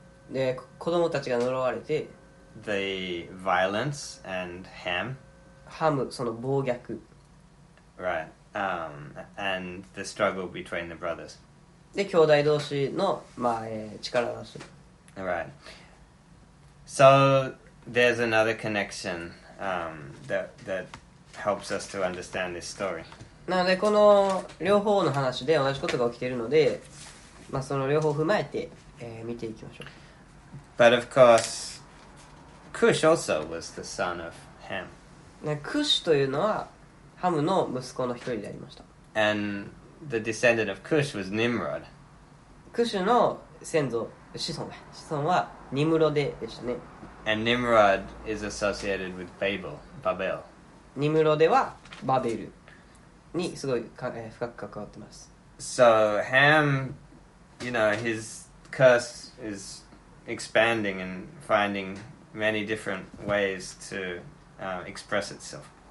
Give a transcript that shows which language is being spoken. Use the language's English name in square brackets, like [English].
[Japanese] で子供たちが呪われて [English] The violence and ham [Japanese] ハム、その暴虐 [English] Right、And the struggle between the brothers [Japanese] で、兄弟同士の、まあ力出し [English] Right So there's another connection、that helps us to understand this story [Japanese] なのでこの両方の話で同じことが起きているので、まあ、その両方を踏まえて、見ていきましょう [English] But of course, Cush also was the son of Ham. [Japanese] Cush というのはハムの息子の一人でありました。 [English] And the descendant of Cush was Nimrod. [Japanese] Cushの先祖、子孫は、ニムロデでしたね。 [English] And Nimrod is associated with Babel, Babel. [Japanese] ニムロデはバベルにすごい深く関わってます。 [English] So Ham, you know, his curse is expanding and finding many different ways to express itself.